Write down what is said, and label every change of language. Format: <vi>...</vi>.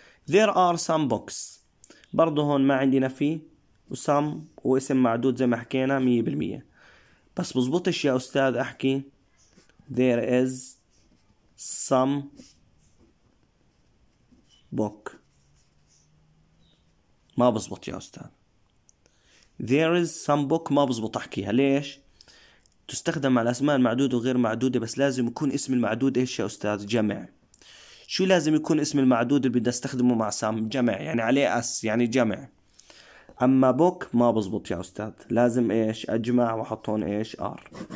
<en>There are some books،</en> <ar>برضو هون ما عندي نفي، وسم واسم معدود زي ما حكينا 100%. بس بزبطش يا أستاذ أحكي</ar> <en>there is some book،</en> <ar>ما بزبط يا أستاذ.</ar> <en>There is some book</en> <ar>ما بزبط أحكيها. ليش؟ تستخدم مع الأسماء المعدودة وغير معدودة، بس لازم يكون اسم المعدود إيش يا أستاذ؟ جمع. شو لازم يكون اسم المعدود اللي بدي استخدمه مع سام؟ جمع، يعني عليه أس، يعني جمع. أما بوك ما بزبط يا أستاذ، لازم إيش؟ أجمع وحطون إيش؟ آر.</ar>